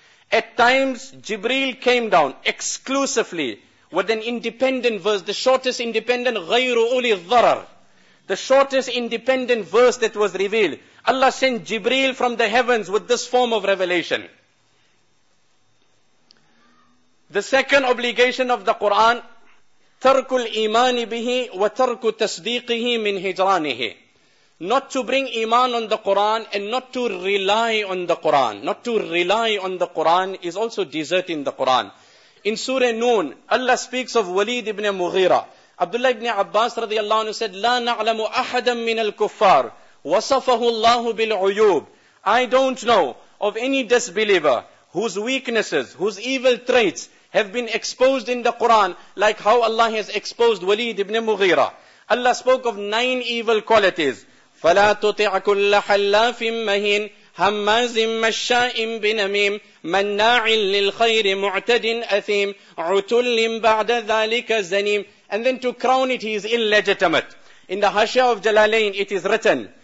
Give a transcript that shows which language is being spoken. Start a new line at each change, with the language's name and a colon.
English: At times, Jibreel came down exclusively with an independent verse, the shortest independent,
Arabic: غَيْرُ أُولِي الضَّرَرِ.
English: The shortest independent verse that was revealed. Allah sent Jibreel from the heavens with this form of revelation. The second obligation of the Qur'an,
Arabic: تَرْكُ الْإِيمَانِ بِهِ وَتَرْكُ تَصْدِيقِهِ مِنْ هِجْرَانِهِ.
English: Not to bring iman on the Qur'an and not to rely on the Qur'an. Not to rely on the Qur'an is also deserting the Qur'an. In Surah Noon, Allah speaks of Walid ibn Mughira. Abdullah ibn Abbas radiallahu anhu said,
Arabic: لَا نَعْلَمُ أَحَدًا مِنَ الْكُفَّارِ وَصَفَهُ اللَّهُ بِالْعُيُوبِ.
English: I don't know of any disbeliever whose weaknesses, whose evil traits have been exposed in the Qur'an, like how Allah has exposed Walid ibn Mughira. Allah spoke of 9 evil qualities.
Arabic: فَلَا تُطِعْ كُلَّ حَلَّافٍ مَهِينَ هَمَّازٍ مَشَّاءٍ بِنَمِيمٍ مَنَّاعٍ لِلْخَيْرِ مُعْتَدٍ أَثِيمٍ عُتُلٍ بَعْدَ ذَلِكَ زَنِيمٍ.
English: And then to crown it, he is illegitimate. In the Hashya of Jalalain, it is written,